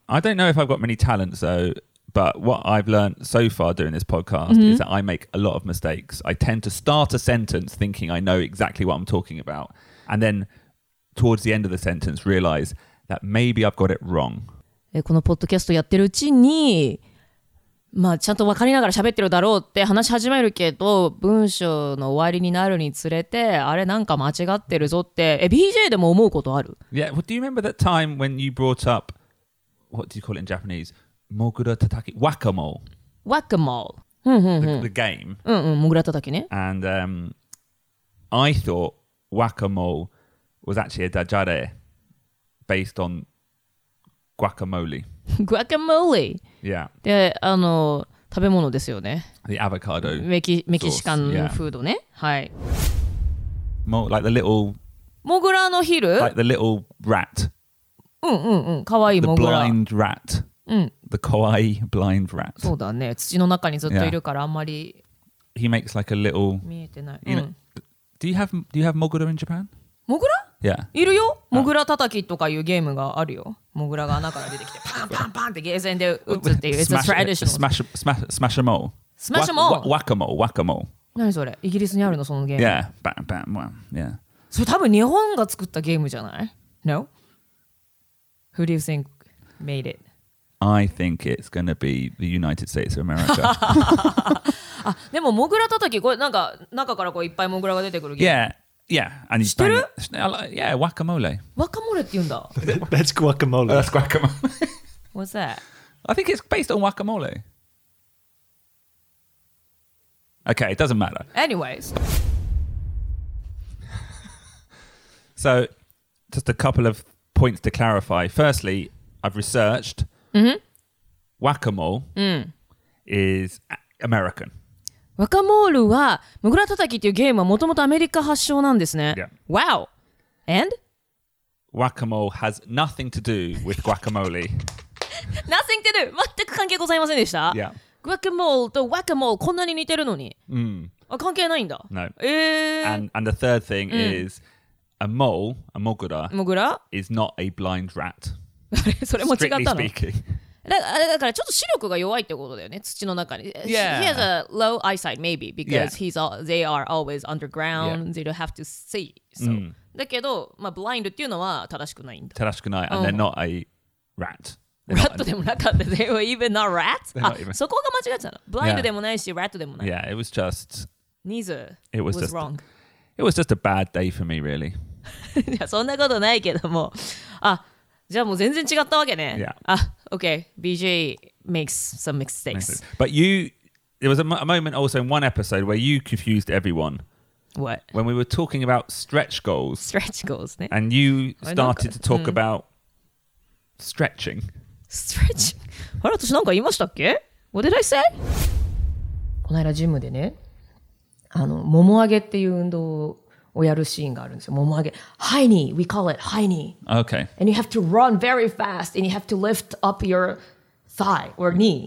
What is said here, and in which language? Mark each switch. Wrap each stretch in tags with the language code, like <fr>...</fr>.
<en>I don't know if I've got many talents though, but what I've learned so far doing this podcast mm-hmm. is that I make a lot of mistakes. I tend to start a sentence thinking I know exactly what I'm talking about, and then towards the end of the sentence realize that maybe I've got it wrong.</en> <ja>このポッドキャストやってるうちに、まあちゃんと分かりながら喋ってるだろうって話し始めるけど、文章の終わりになるにつれて、あれなんか間違ってるぞって、BJ でも思うことある?</ja> <en>Yeah, well, do you remember that time when you brought up, what do you call it in Japanese?</en> <ja>モグラ叩き、Whack-a-mole.</ja> <en>Whack-a-mole. The game.</en> <ja>うんうん、モグラ叩きね。</ja> <en>And I thought Whack-a-mole was actually a dajare based on guacamole. Guacamole? Yeah.</en> <ja>で、食べ物ですよね。</ja> <en>The avocado.</en> <ja>メキシカンフードね。はい。</ja> <en>もう、like the little.</en> <ja>モグラのヒル?</ja> <en>Like the little rat.</en> <ja>うんうんうん。かわいいモグラ。</ja> <en>The blind rat.</en> <ja>うん。</ja> <en>The kawaii blind rat.</en> <ja>そうだね。土の中にずっといるからあんまり。</ja> <en>He makes like a little.</en> <ja>見えてない。</ja> <en>You know, do you have モグラ in Japan?</en> <ja>モグラ?</ja> <en>Yeah.</en> <ja>いるよ。モグラ叩きとかいうゲームがあるよ。モグラが穴から出てきてパンパンパンってゲーセンで打つっていう</ja> <en>It's a traditional Smash a mole Smash a mole Whack-a-mole Whack-a-mole</en> <ja>何それイギリスにあるのそのゲーム</ja> <en>Yeah Bam bam bam Yeah</en> <ja>それ多分日本が作ったゲームじゃない No?</ja> <en>Who do you think made it? I think it's gonna be the United States of America</en> <ja>あでもモグラ叩きこれなんか中からこういっぱいモグラが出てくるゲーム</ja> <en>YeahYeah, and you find yeah, guacamole.</en> <ja>Guacamole って言うんだ?</ja> <en>That's guacamole. That's guacamole. What's that? I think it's based on guacamole. Okay, it doesn't matter. Anyways. So, just a couple of points to clarify. Firstly, I've researched guacamole is American.</en> <ja>ワカモールはモグラ叩きっていうゲームはもともとアメリカ発祥なんですね。</ja> <en>Yeah. Wow! And? ワカモール has nothing to do with guacamole. Nothing to do!</en> <ja>全く関係ございませんでした。</ja> <en>Yeah.</en> <ja>ワカモールとワカモールこんなに似てるのに。 Mm. あ関係ないんだ。</ja> <en>No. And the third thing is a mole, a</en> <ja>モグラ</ja> <en>is not a blind rat.</en> <ja>それも違ったの?</ja> <en>Strictly speaking.</en> <ja>だからちょっと視力が弱いってことだよね、土の中に。</ja> <en>Yeah. He has a low eyesight maybe because he's all, they are always underground,、yeah. they don't have to see.</en> <ja>So,、mm. だけど、まあ、blind っていうのは正しくないんだ。正しくない、</ja> <en>and they're not a rat.</en> <ja>ラットでもなかった。</ja> <en>They were even not rats?</en> <ja>あ、そこが間違ってたの。 Blind でもないし、ラットでもない。</ja> <en>Yeah, it was just... Neither was wrong. It was just a bad day for me, really.</en> <ja>いや、そんなことないけども。あ、じゃあもう全然違ったわけね。</ja> <en>Yeah. あ、OK. BJ makes some mistakes. But you... There was a moment also in one episode where you confused everyone. What? When we were talking about stretch goals. Stretch goals, ね。 And you started to talk about stretching. Stretching?</en> <ja>あれ、私なんか言いましたっけ?</ja> <en>What did I say?</en> <ja>この間ジムでね、もも上げっていう運動をやるシーンがあるんですよ。もも上げ。</ja> <en>High knee, we call it high knee. Okay. And you have to run very fast and you have to lift up your thigh or knee.</en>